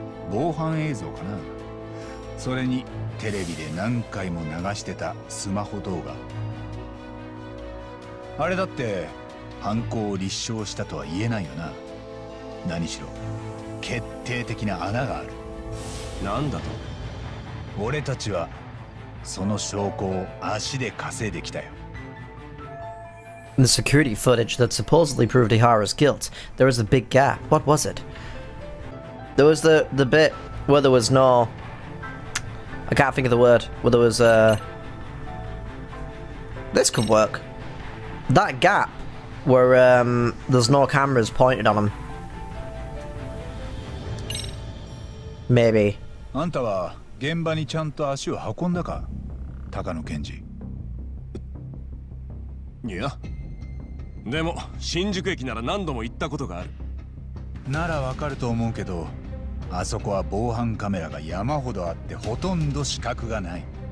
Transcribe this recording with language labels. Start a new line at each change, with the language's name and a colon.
Japanese: 防犯映像かな。それにテレビで何回も流してたスマホ動画、あれだって犯行を立証したとは言えないよな。何しろ決定的な穴がある。何だと？俺たちはその証拠を足で稼いできたよ。
English: The security footage that supposedly proved Ihara's guilt. There was a big gap. What was it? There was the bit where there was no... I can't think of the word. Where there was a... This could work. That gap where there's no cameras pointed on him. Maybe.
Japanese: あんたは現場にちゃんと足を運んだか？高野健治。いや、でも新宿駅なら何度も行ったことがある。ならわかると思うけど、あそこは防犯カメラが山ほどあってほとんど死角がない。